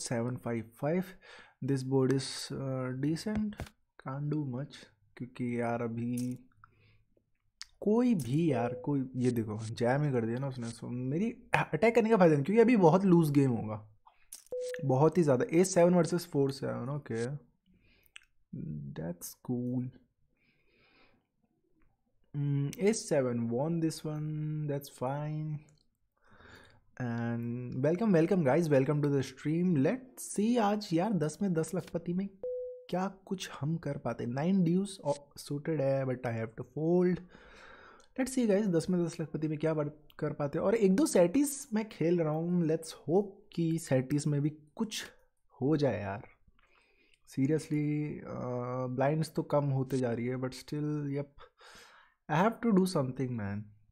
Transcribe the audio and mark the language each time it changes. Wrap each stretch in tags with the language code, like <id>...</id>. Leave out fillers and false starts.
<hi>7 5 5,</hi> <en>this board is decent, can't do much,</en> <hi>क्योंकि यार अभी कोई भी यार कोई ये देखो जैम ही कर दिया ना उसने, सो मेरी अटैक करने का फायदा नहीं, क्योंकि अभी बहुत लूज गेम होगा, बहुत ही ज़्यादा।</hi> <en>A7 vs 4-7, okay that's cool. A7 won this one, that's fine. And welcome, welcome guys, welcome to the stream. Let's see</en> <hi>आज यार 10 में 10 लखपति में क्या कुछ हम कर पाते।</hi> <en>9 deuce suited है, but I have to fold.</en> <hi>Let's see guys, 10 में 10 लखपति में क्या कर पाते। और एक दो सेटिस मैं खेल रहा हूँ,</hi> <en>let's hope</en> <hi>कि सेटिस में भी कुछ हो जाए यार।</hi> <en>seriously blinds</en> <hi>तो कम होते जा रही है,</hi> <en>But still yup, I have to do something man.</en>